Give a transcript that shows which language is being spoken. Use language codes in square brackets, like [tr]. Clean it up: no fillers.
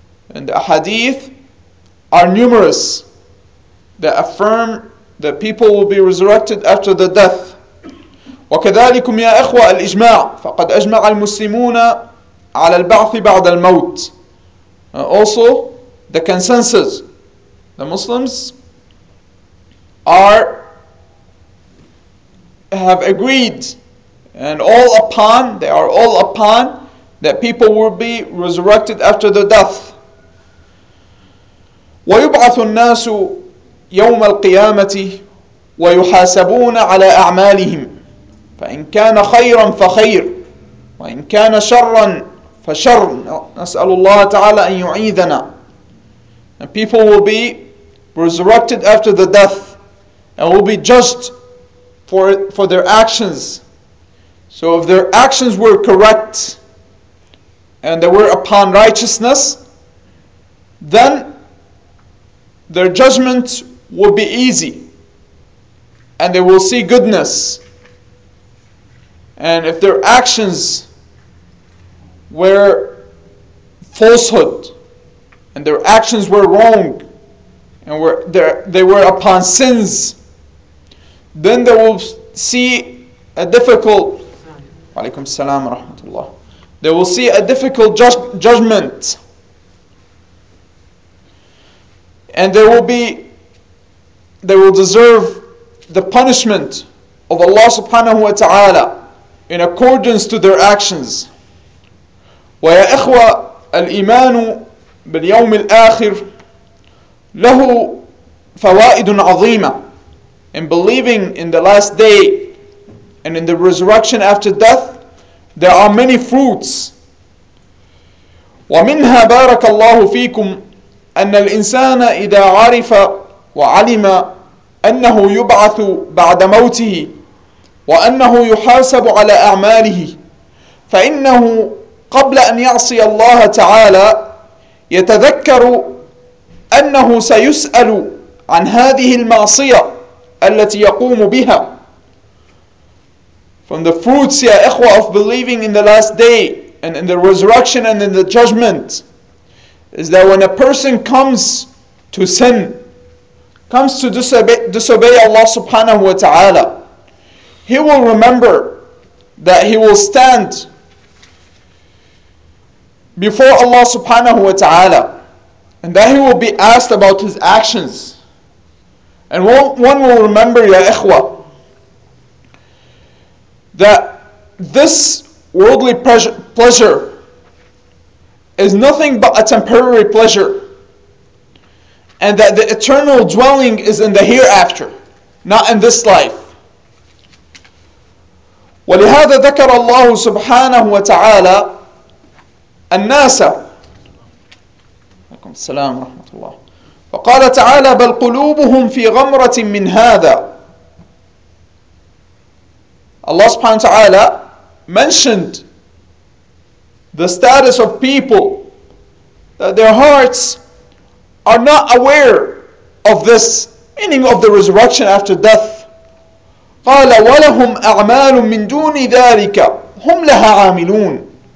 [en] And the ahadith are numerous that affirm that people will be resurrected after the death. [ar] وكذلكم يا أخوة الإجماع فقد أجمع المسلمون على البعث بعد الموت. [en] Also the consensus, the Muslims have agreed and they are all upon that people will be resurrected after the death. [ar] ويبعث الناس يوم القيامة ويحاسبون على أعمالهم، فإن كان خيرا فخير وإن كان شرا فشر. نسأل الله تعالى أن يعيذنا. [en] And people will be resurrected after the death and will be judged for their actions. So if their actions were correct and they were upon righteousness, then their judgment will be easy and they will see goodness. And if their actions were falsehood and their actions were wrong and they were upon sins, then they will see a difficult [ar] وعليكم السلام ورحمة الله. [en] They will see a difficult judgment. And they will deserve the punishment of Allah subhanahu wa ta'ala in accordance to their actions. [ar] ويا إخوة الإيمان باليوم الآخر له فوائد عظيمة. [en] In believing in the last day and in the resurrection after death, there are many fruits. [ar] ومنها بارك الله فيكم أن الإنسان إذا عرف وعلم أنه يبعث بعد موته وأنه يحاسب على أعماله، فإنه قبل أن يعصي الله تعالى يتذكر أنه سيسأل عن هذه المعصية التي يقوم بها. [en] From the fruits, ya ikhwa, of believing in the last day and in the resurrection and in the judgment is that when a person comes to sin, comes to disobey Allah subhanahu wa ta'ala, he will remember that he will stand before Allah subhanahu wa ta'ala and that he will be asked about his actions. And one will remember, ya ikhwa, that this worldly pleasure is nothing but a temporary pleasure, and that the eternal dwelling is in the hereafter, not in this life. [ar] ولهذا ذكر الله سبحانه وتعالى الناس عليكم السلام ورحمة الله فقال تعالى بل قلوبهم في غمرة من هذا. [en] Allah subhanahu wa ta'ala mentioned the status of people, that their hearts are not aware of this, meaning of the resurrection after death. [ar] قَالَ وَلَهُمْ أَعْمَالٌ مِّن دُونِ ذَٰلِكَ هُمْ لَهَا عَامِلُونَ.